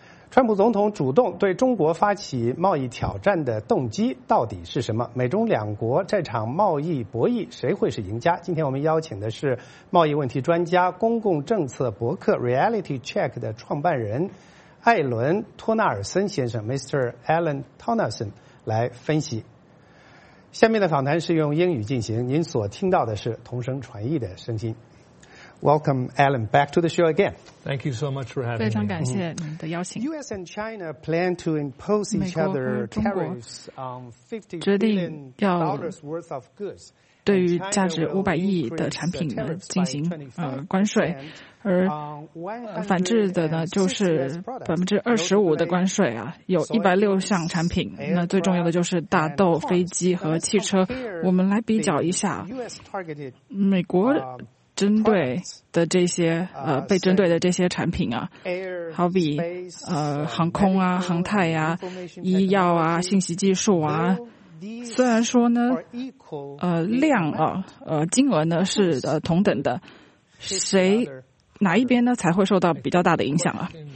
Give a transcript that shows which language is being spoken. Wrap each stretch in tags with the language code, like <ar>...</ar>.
<zh>川普总统主动对中国发起贸易挑战的动机到底是什么？美中两国这场贸易博弈谁会是赢家？今天我们邀请的是贸易问题专家、公共政策博客 Reality Check 的创办人艾伦·托纳尔森先生 Mr. Alan Tonerson 来分析。下面的访谈是用英语进行，您所听到的是同声传译的声音。</zh> <en>Welcome, Alan, back to the show again. Thank you so much for having me.</en> <zh>非常感谢您的邀请。</zh> <en>US and China plan to impose each other tariffs on 50 billion dollars worth of goods.</en> <zh>对于价值500亿的产品呢进行关税，而反制的呢就是25%的关税啊，有160项产品，那最重要的就是大豆、飞机和汽车。我们来比较一下美国针对的这些被针对的这些产品啊，好比航空啊、航太呀、医药啊、信息技术啊，虽然说呢量啊金额呢是同等的，谁哪一边呢才会受到比较大的影响啊？</zh>